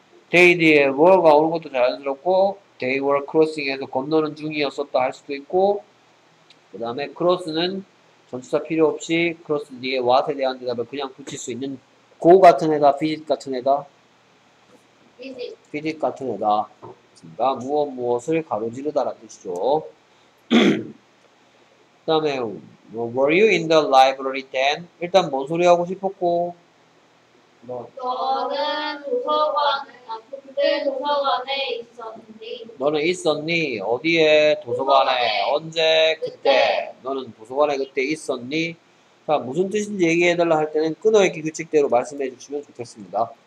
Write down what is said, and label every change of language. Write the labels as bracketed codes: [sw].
[ko] They 뒤에 were가 오는 것도 자연스럽고 they were crossing에서 건너는 중이었었다 할 수도 있고 그 다음에 크로스는 전치사 필요 없이 크로스 뒤에 what에 대한 대답을 그냥 붙일 수 있는 고 같은 애다, 비짓 같은 애다? 비짓. 비짓 같은 애다. 그렇습니다. 무엇 무엇을 가로지르다라는 뜻이죠. 그 다음에, [en] well, were you in the library then? [ko] 일단 뭔 소리 하고 싶었고? 뭐. 너는 도서관에, 그때 도서관에 있었니? 너는 있었니? 어디에? 도서관에. 도서관에. 언제? 그때. 너는 도서관에 그때 있었니? 자, 무슨 뜻인지 얘기해달라 할 때는 끊어있기 규칙대로 말씀해 주시면 좋겠습니다.